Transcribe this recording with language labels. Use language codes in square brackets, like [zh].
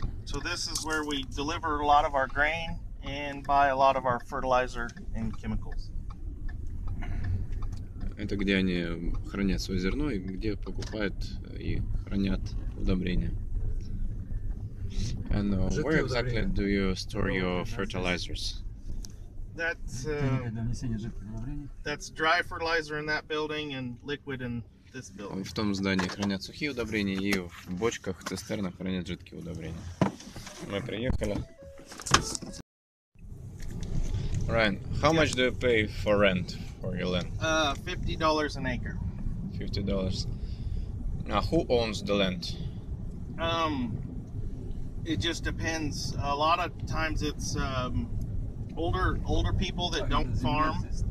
[en] So this is where we deliver a lot of our grain and buy a lot of our fertilizer and chemicals. [ru] Это где они хранят свое зерно и где покупают и хранят удобрения. [en] And where exactly do you store your fertilizers? That's dry fertilizer in that building and liquid in this building. [ru] В том здании хранят сухие удобрения, и в бочках, цистернах хранят жидкие удобрения. Мы приехали. [en] Ryan, how much do you pay for rent for your land? $50 an acre. $50. Now, who owns the land? It just depends. A lot of times it's older people that don't farm.